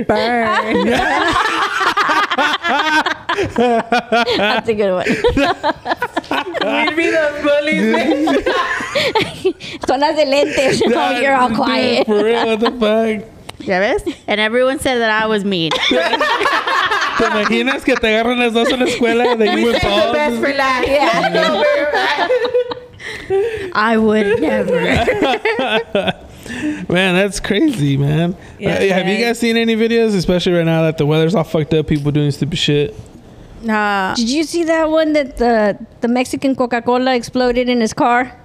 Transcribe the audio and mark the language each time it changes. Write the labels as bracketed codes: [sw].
[en] Ooh, burn. That's a good one. We'd be the bullies. [es] Son las de lentes. [en] Oh, you're all quiet. Dude, for real, what the fuck? [es] ¿Ya ves? [en] And everyone said that I was mean. [es] ¿Te imaginas que te agarran las dos en la escuela? [en] We saved the best for last. Yeah. Yeah. No, I would never. Man, that's crazy, man. Yeah, have you guys seen any videos, especially right now that the weather's all fucked up, people doing stupid shit? Nah. Did you see that one that the Mexican Coca-Cola exploded in his car?